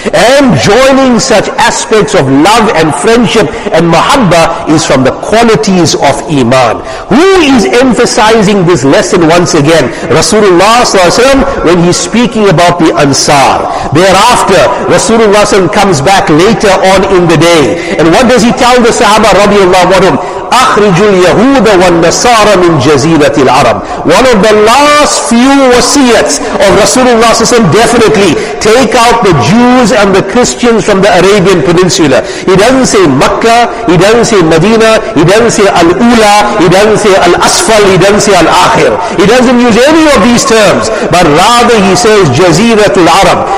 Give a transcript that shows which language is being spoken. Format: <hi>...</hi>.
<en>And joining such aspects of love and friendship and mahabba is from the qualities of iman. Who is emphasizing this lesson once again? Rasulullah sallallahu alaihi wasallam, when he's speaking about the Ansar. Thereafter, Rasulullah sallallahu comes back later on in the day. And what does he tell the Sahaba radiallahu anhum?</en> <ar>أخرج اليهود والنصارى من جزيرة العرب.</ar> <en>One of the last few wasiyats of Rasulullah SAW, definitely take out the Jews and the Christians from the Arabian Peninsula. He doesn't say Mecca, he doesn't say Medina, he doesn't say Al-Ula, he doesn't say Al-Asfal, he doesn't say Al-Akhir. He doesn't use any of these terms, but rather he says Jaziratul Arab.</en>